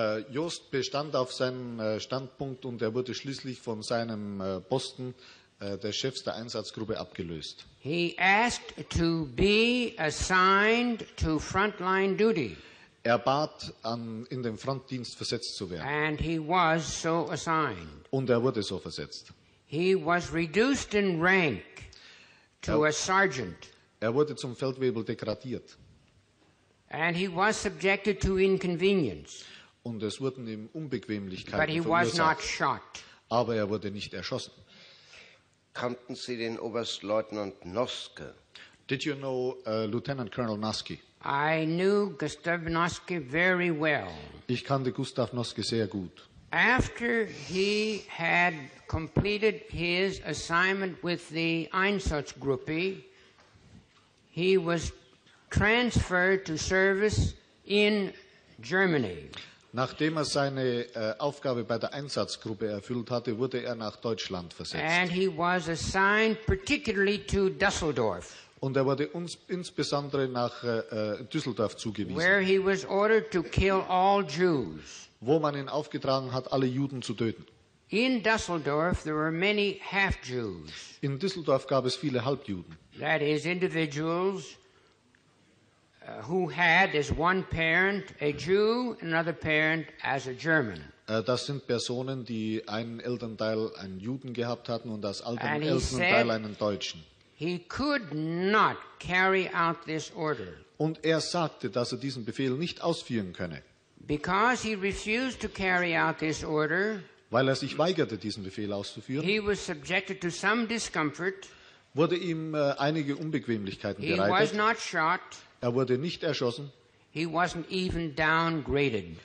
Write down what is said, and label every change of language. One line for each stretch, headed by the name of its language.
German: Joost bestand auf seinem Standpunkt und wurde schließlich von seinem Posten des Chefs der Einsatzgruppe abgelöst.
English: He asked to be assigned to frontline duty.
German: Er bat, in den Frontdienst versetzt zu werden.
English: And he was so assigned.
German: Und wurde so versetzt.
English: He was reduced in rank to a sergeant.
German: Wurde zum Feldwebel degradiert.
English: And he was subjected to inconvenience.
German: Und es wurden ihm Unbequemlichkeiten verursacht. Aber wurde nicht erschossen. Kannten Sie den Oberstleutnant Noske?
English: Did you know Lieutenant Colonel Noske? I knew Gustav Noske very well.
German: Ich kannte Gustav Noske sehr gut.
English: After he had completed his assignment with the Einsatzgruppe, he was transferred to service in Germany.
German: Nachdem seine Aufgabe bei der Einsatzgruppe erfüllt hatte, wurde nach Deutschland versetzt.
English: And he was assigned particularly to Düsseldorf.
German: Und wurde insbesondere nach Düsseldorf zugewiesen.
English: Where he was ordered to kill all Jews.
German: Wo man ihn aufgetragen hat, alle Juden zu töten.
English: In Düsseldorf there were many half-Jews.
German: In Düsseldorf gab es viele Halbjuden.
English: That is individuals who had as one parent a Jew, another parent as a German.
German: Das sind Personen, die einen Elternteil einen Juden gehabt hatten und das andere Elternteil einen Deutschen.
English: He could not carry out this order.
German: Und sagte, dass diesen Befehl nicht ausführen könne.
English: Because he refused to carry out this order,
German: weil sich weigerte, diesen Befehl auszuführen,
English: he was subjected to some discomfort.
German: Wurde ihm einige Unbequemlichkeiten bereitet.
English: He was not shot.
German: Wurde nicht erschossen.
English: He wasn't even downgraded.